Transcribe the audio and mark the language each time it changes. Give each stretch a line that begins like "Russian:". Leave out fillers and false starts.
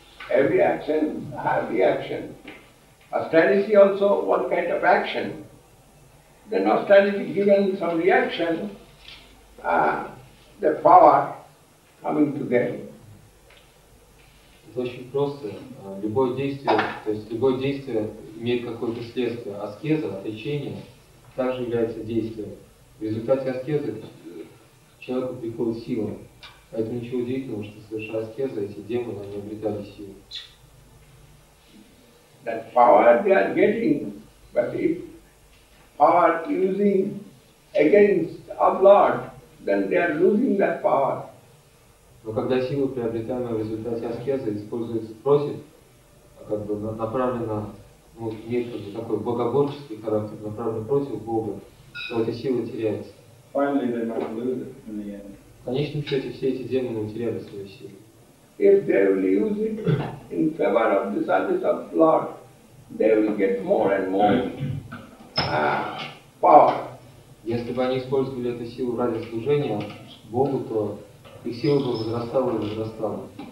English: Every action has reaction. Austerity also one kind of action. Then austerity given some reaction, the power coming to them. It's
Russian: очень просто. Любое действие, то есть любое действие имеет какое-то следствие. Аскеза, отречение, также является действием. В результате аскезы человеку приходит сила. Это ничего удивительного, что совершая аскезу, эти демоны не обретали силу.
English: That power they are getting, but if power using against our Lord, then they are losing that power.
Russian: Но когда силу приобретаемая в результате аскезы используется против, как бы направлена, ну, имеет как бы такой богоборческий характер, направлен против Бога, то эта сила теряется.
English: Finally, they might lose it in the end.
Russian: В конечном счете все эти демоны теряли свою силу.
English: If they will use it in favor of the service of the Lord, they will get more and more power.
Russian: Если бы они использовали эту силу ради служения Богу, то их сила бы возрастала и возрастала.